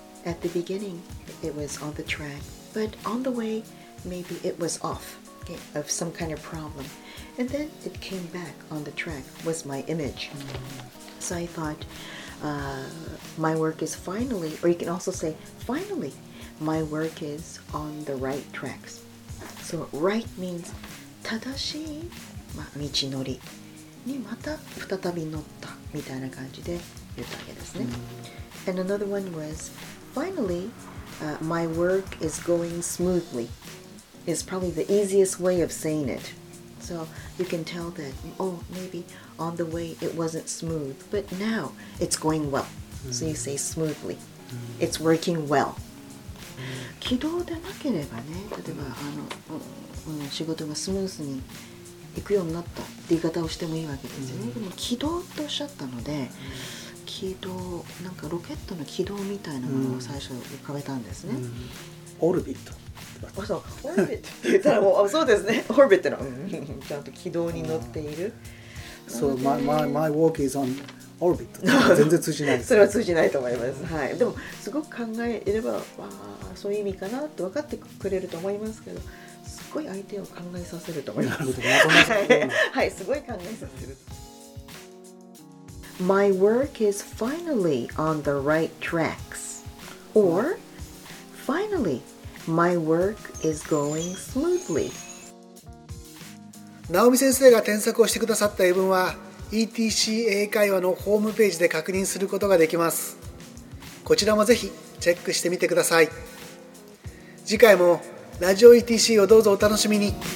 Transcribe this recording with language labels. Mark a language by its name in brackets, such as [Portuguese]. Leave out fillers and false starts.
[English] At the beginning, it was on the track, but on the way, maybe it was off, okay, of some kind of problem. And then it came back on the track, was my image.、Mm-hmm. So I thought,、my work is finally, or you can also say, finally, my work is on the right tracks. So right means, [Japanese] 正しい、まあ、道のりにまた再び乗ったみたいな感じで言ったわけですね。 Mm-hmm. [English] And another one was,Finally,、my work is going smoothly. It's probably the easiest way of saying it. So you can tell that, oh, maybe on the way it wasn't smooth, but now it's going well.、Mm-hmm. So you say smoothly.、Mm-hmm. It's working well.、Mm-hmm. [Japanese] 軌道でなければね、例えば、あの、うん、仕事がスムーズに行くようになったって言い方をしてもいいわけですよね。 Mm-hmm. でも軌道とおっしゃったので、mm-hmm. 軌道、なんかロケットの軌道みたいなものを最初浮かべたんですね、うん、オルビットあそうオルビットって言ったらもうそうですねオルビットの、うん、ちゃんと軌道に乗っている、 [English] So my work is on orbit [Japanese] 全然通じないですそれは通じないと思います、はい、でもすごく考えればあそういう意味かなって分かってくれると思いますけどすごい相手を考えさせると思いますなるほど、はい、はい、すごい考えさせる [English] My work is finally on the right tracks. Or, finally, my work is going smoothly. [Japanese] ナオミ先生が添削をしてくださった英文は ETC 英会話のホームページで確認することができます。こちらもぜひチェックしてみてください。次回もラジオ ETC をどうぞお楽しみに。